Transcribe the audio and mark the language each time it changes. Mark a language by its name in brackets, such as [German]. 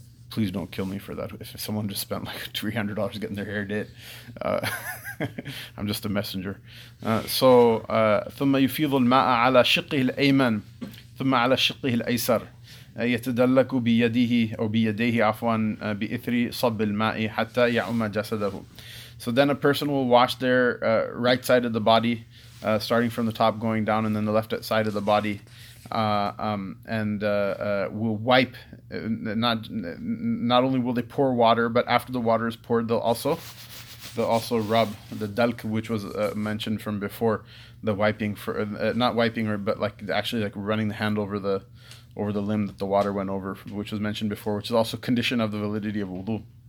[English] Please don't kill me for that. If someone just spent like $300 getting their hair did, I'm just a messenger. [Arabic] ثم يفيض الماء على شقه الأيمن ثم على شقه الأيسر يتدلك بيده أو بيديه عفوا بإثر صب الماء حتى يعم جسده. [English] So then a person will wash their right side of the body, starting from the top going down, and then the left side of the body, will wipe. Not only will they pour water, but after the water is poured, they'll also rub the dalk, which was mentioned from before, the wiping for not wiping, or but like actually like running the hand over the limb that the water went over, which was mentioned before, which is also a condition of the validity of wudu.